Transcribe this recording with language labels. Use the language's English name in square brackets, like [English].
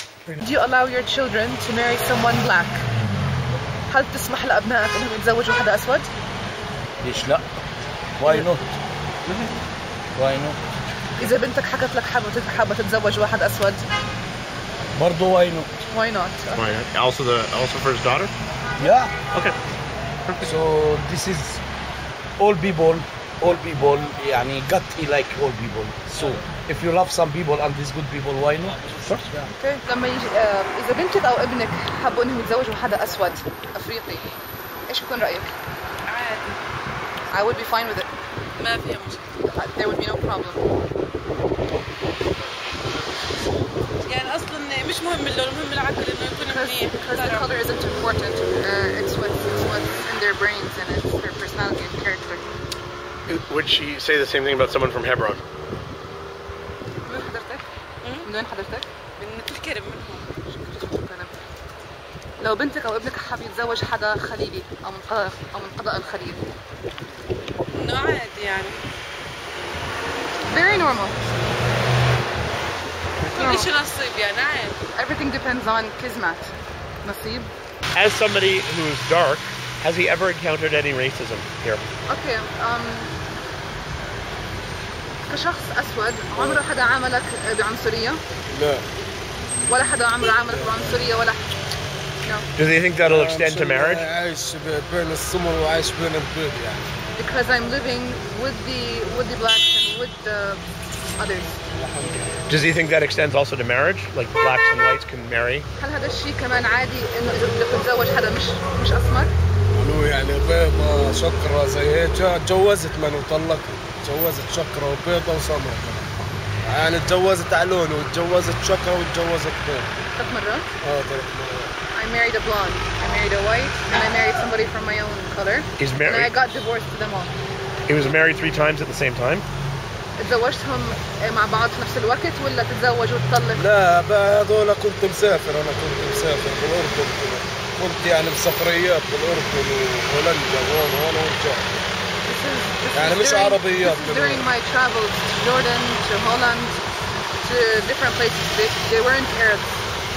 [English] Do you allow your children to marry someone black? [Arabic] هل تسمح لأبنائك أنهم يتزوجوا حدا أسود؟ ليش لا؟ [English] Why not? Why not? [Arabic] إذا بنتك حكت لك حابة تتزوج واحد أسود؟ برضو [English] why not? Why not? Why not? Also for his daughter? Yeah. Okay. So this is all people يعني gutty like all people. So if you love some people and these good people, why not? Okay. [Arabic] لما يجي إذا بنتك أو ابنك حابوا إنهم يتزوجوا حدا أسود أفريقي إيش يكون رأيك؟ عادي. [English] I would be fine with it. [Arabic] ما في مشكلة. [English] There would be no problem. [Arabic] يعني أصلاً مش مهم اللون المهم العقل إنه يكون منيح. [English] Because the color isn't important. It's what's in their brains and it's their personality and character. Would she say the same thing about someone from Hebron? [Arabic] من حضرتك؟ من وين حضرتك؟ لو بنتك او ابنك حاب يتزوج حدا خليلي او من قضاء الخليل عادي يعني [English] very normal [Arabic] كل شيء نصيب يعني عادي [English] everything depends on kismet نصيب as somebody who's dark has he ever encountered any racism here [Arabic] okay كشخص اسود عمره حدا عاملك بعنصريه لا ولا حدا عمره عمل بعنصرية ولا [English] No. Do they think that'll extend to marriage? [Arabic] عايش بين السمر وعايش بين البيض يعني. [English] Because I'm living with the blacks and with the others. Does he think that extends also to marriage? Like blacks and whites can marry? [Arabic] هل هذا الشيء كمان عادي إنه إذا تزوج حدا مش أسمر؟ قالوا يعني بيضة شكرة زي هيك تجوزت من وطلقت تجوزت شكرة وبيضة وسمر يعني اتجوزت على لونه واتجوزت شكرا واتجوزت بيض ثلاث مرات؟ ثلاث مرات [English] I married a blonde, I married a white, and I married somebody from my own color He's married? And I got divorced to them all He was married three times at the same time. [Arabic] تزوجتهم مع بعض في نفس الوقت ولا تزوج وتطلق؟ لا هذول كنت مسافر، أنا كنت مسافر بالأردن، كنت يعني بسفريات بالأردن وهولندا وهون وهون ورجع. يعني مش [English] during, [Arabic] عربيات. [English] During my travels to Jordan to Holland to different places they weren't Arabs.